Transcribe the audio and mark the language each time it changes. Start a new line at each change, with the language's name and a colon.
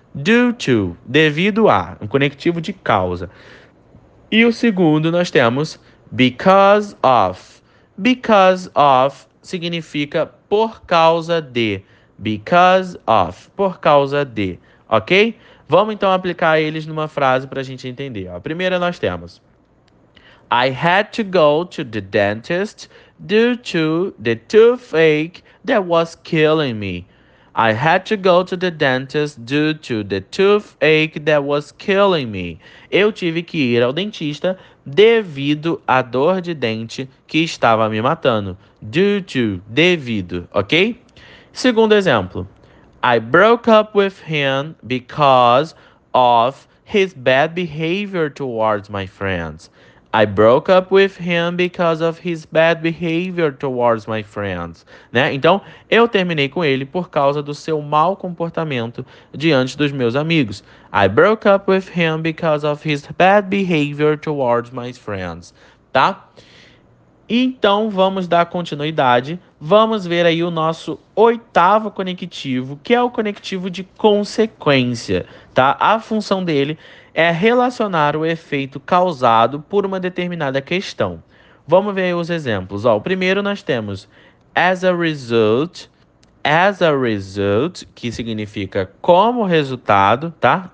Portuguese: Due to, devido a. Um conectivo de causa. E o segundo nós temos because of. Because of significa por causa de. Because of, por causa de. Ok? Vamos então aplicar eles numa frase para a gente entender. A primeira nós temos:
English: I had to go to the dentist due to the toothache that was killing me. I had to go to the dentist due to the toothache that was killing me.
Portuguese: Eu tive que ir ao dentista devido à dor de dente que estava me matando. Due to, devido, ok? Segundo exemplo.
English: I broke up with him because of his bad behavior towards my friends. I broke up with him because of his bad behavior towards my friends.
Portuguese: Né? Então, eu terminei com ele por causa do seu mau comportamento diante dos meus amigos.
English: I broke up with him because of his bad behavior towards my friends.
Portuguese: Tá? Então, vamos dar continuidade. Vamos ver aí o nosso oitavo conectivo, que é o conectivo de consequência, tá? A função dele é relacionar o efeito causado por uma determinada questão. Vamos ver aí os exemplos. Ó, o primeiro nós temos as a result, que significa como resultado, tá?